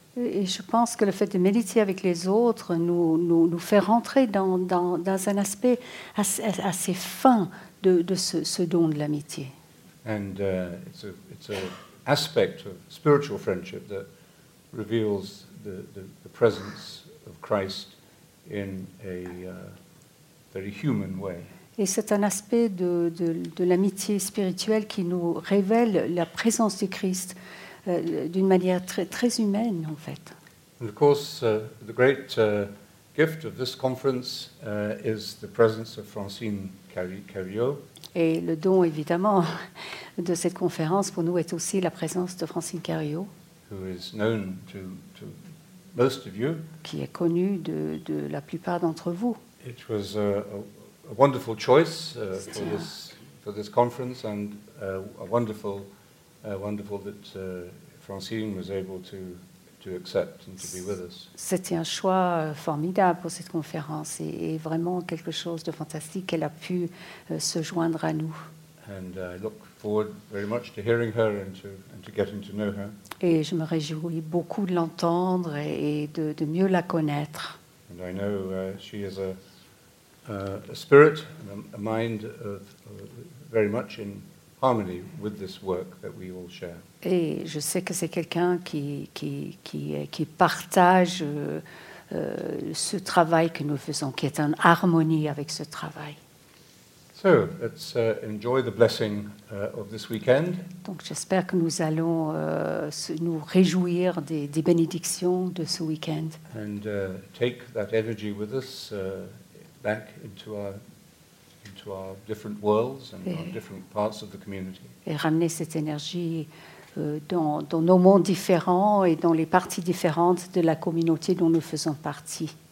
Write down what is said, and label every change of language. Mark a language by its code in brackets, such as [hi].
[fr] Et je pense que le fait de méditer avec les autres nous fait rentrer dans un aspect assez fin de ce don de l'amitié. [en] And it's a aspect of spiritual friendship that reveals the presence of Christ in a very human way. [fr] Et c'est un aspect de l'amitié spirituelle qui nous révèle la présence du Christ d'une manière très très humaine en fait. [en] And of course, the great gift of this conference is the presence of Francine Carriot. [fr] Et le don évidemment de cette conférence pour nous est aussi la présence de Francine Carriot, [en] who is known to most of you, [fr] qui est connue de la plupart d'entre vous. [en] It was a wonderful choice for this conference, and wonderful that Francine was able to accept and to be with us. [fr] C'était un choix formidable pour cette conférence et vraiment quelque chose de fantastique qu'elle a pu se joindre à nous. [en] And I look forward very much to hearing her and to getting to know her. [fr] Et je me réjouis beaucoup de l'entendre et de mieux la connaître. [en] And I know she is a spirit and a mind of very much in harmony with this work that we all share. [fr] Et je sais que c'est quelqu'un qui partage ce travail que nous faisons, qui est en harmonie avec ce travail. [en] So let's enjoy the blessing of this weekend. [fr] Donc j'espère que nous allons nous réjouir des bénédictions de ce weekend. [en] And take that energy with us back into our different worlds and our different parts of the community. [fr] Et ramener cette énergie dans nos mondes différents et dans les parties différentes de la communauté dont nous faisons partie.